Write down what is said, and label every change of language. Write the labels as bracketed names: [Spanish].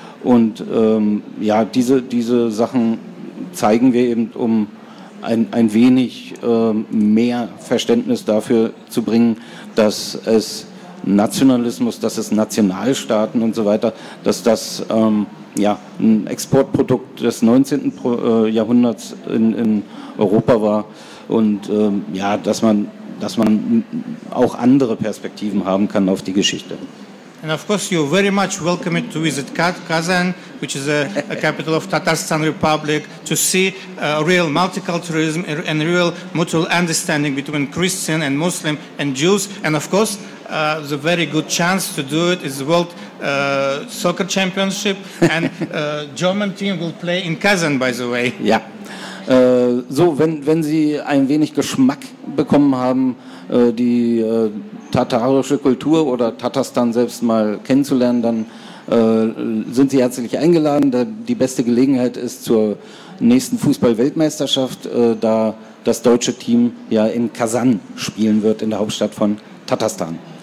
[German] Und ja, diese Sachen zeigen wir eben, um ein wenig mehr Verständnis dafür zu bringen, dass es Nationalismus, dass es Nationalstaaten und so weiter, dass das ein Exportprodukt des 19. Jahrhunderts in Europa war und dass man auch andere Perspektiven haben kann auf die Geschichte. [English] And of course, you're very much welcome to visit Kazan, which is a capital of Tatarstan Republic, to see real multiculturalism and real mutual understanding between Christian and Muslim and Jews. And of course, the very good chance to do it is the World Soccer Championship, and German team will play in Kazan, by the way. Yeah. [German] Wenn Sie ein wenig Geschmack bekommen haben, die tatarische Kultur oder Tatarstan selbst mal kennenzulernen, dann sind Sie herzlich eingeladen. Die beste Gelegenheit ist zur nächsten Fußball-Weltmeisterschaft, da das deutsche Team ja in Kasan spielen wird, in der Hauptstadt von Tatarstan.